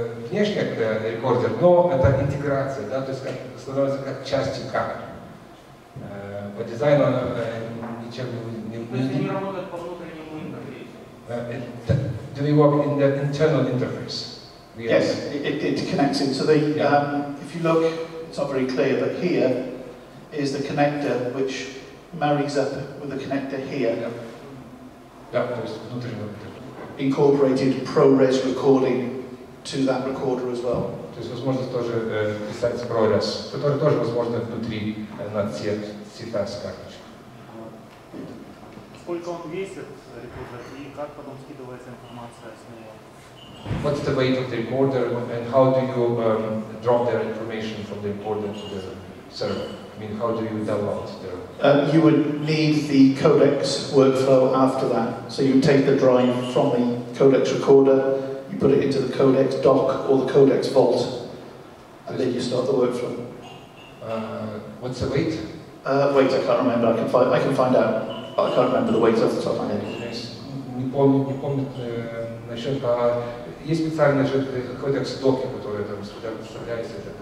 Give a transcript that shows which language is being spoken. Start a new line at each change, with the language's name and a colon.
Russian: Внешний рекордер, но это интеграция, да, то есть как, становится как частью камеры. По дизайну она ничем не будет. Не работает по внутреннему интерфейсу.
English: Do we work in the internal interface? Yes, it connects in. So the, if you look, it's not very clear, but here is the connector which marries up with the connector here.
Russian: Да, то есть внутреннего интерфейса.
English: Incorporated ProRes recording to that recorder as well.
Russian: То есть возможность тоже писать ProRes, который тоже возможно внутри на цвет цветас карточки. Сколько он весит, рекордер, и как потом скидывается информация с него?
English: What's the weight of the recorder and how do you drop their information from the recorder to the server? I mean, how do you download the You would need the codex workflow after that. So you take the drive from the codex recorder, you put it into the codex dock or the codex vault, and then you start the workflow. What's the weight? Weight, I can't remember. I can find out, but I can't remember the weight off the top of my head. Yes.
Russian: Есть специальный же codex dock, который там вставляется.